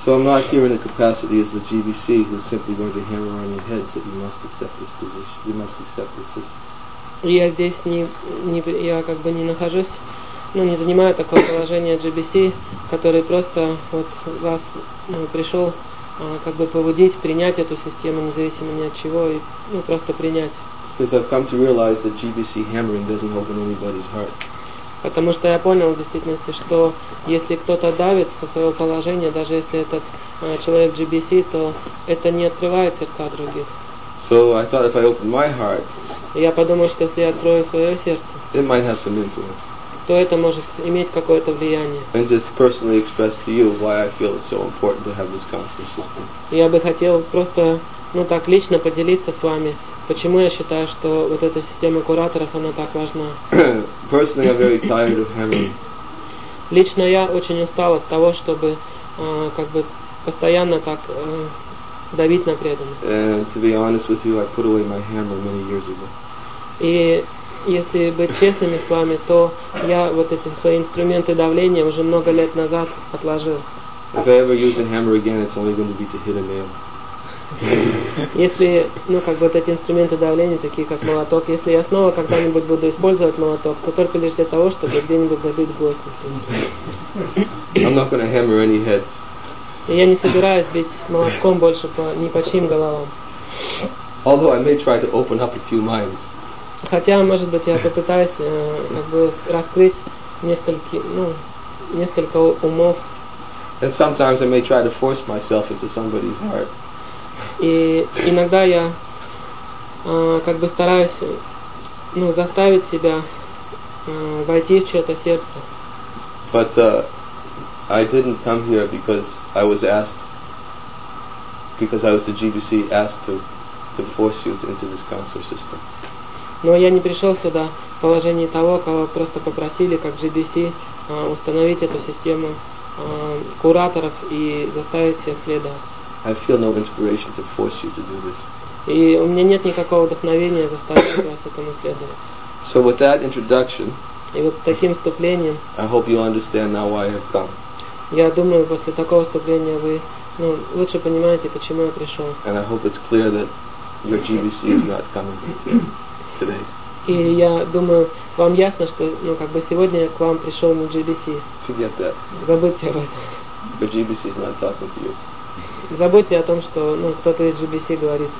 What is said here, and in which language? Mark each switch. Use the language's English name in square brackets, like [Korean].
[English] So I'm not here in a capacity as the GBC who's simply going to hammer on your heads that you must accept this position, you must accept this system. [Russian] Я здесь не нахожусь, не занимаю такое положение GBC, который просто вот вас пришел побудить принять эту систему, независимо ни от чего, и просто принять. [English] Because I've come to realize that GBC hammering doesn't open anybody's heart. [Russian] Потому что я понял в действительности, что если кто-то давит со своего положения, даже если этот человек GBC, то это не открывает сердца других. [English] So I thought if I open my heart, [Russian] я подумал, что если я открою свое сердце, [English] it might have some influence. [Russian] То это может иметь какое-то влияние. [English] And just personally express to you why I feel it's so important to have this consular system. [Russian] Я бы хотел просто, лично поделиться с вами. Почему я считаю, что вот эта система кураторов, она так важна? [English] Personally, I'm very tired of hammering. [Russian] Лично я очень устал от того, чтобы постоянно так давить на преданных. [English] And to be honest with you, I put away my hammer many years ago. [Russian] И если быть честными с вами, то я вот эти свои инструменты давления уже много лет назад отложил. [English] If I ever use a hammer again, it's only going to be to hit a nail. [Russian] Если, ну, как бы вот эти инструменты давления, такие как молоток, если я снова когда-нибудь буду использовать молоток, то только лишь для того, чтобы где-нибудь забить гвоздь. [English] I'm not going to hammer any heads. [Russian] Я не собираюсь бить молотком больше ни по чьим головам. [English] Although I may try to open up a few minds. [Russian] Хотя, может быть, я попытаюсь как бы раскрыть несколько умов. [English] And sometimes I may try to force myself into somebody's heart. [Russian] И иногда я как бы стараюсь заставить себя войти в чье-то сердце. [English] But I didn't come here because I was asked, because I was the GBC asked to force you into this council system. [Russian] Но я не пришел сюда в положении того, кого просто попросили, как GBC, установить эту систему кураторов и заставить всех следовать. [English] I feel no inspiration to force you to do this. [Russian] И у меня нет никакого вдохновения заставить вас этому следовать. [English] So with that introduction, [Russian] и вот с таким вступлением, [English] I hope you understand now why I have come. [Russian] Я думаю, после такого вступления вы лучше понимаете, почему я пришел. [English] And I hope it's clear that your GBC is not coming today. [Russian] И я думаю, вам ясно, что сегодня я к вам пришел на GBC. [English] Forget that. [Russian] Забудьте об этом. [English] Your GBC is not talking to you. [Russian] Забудьте о том, что кто-то из GBC говорит.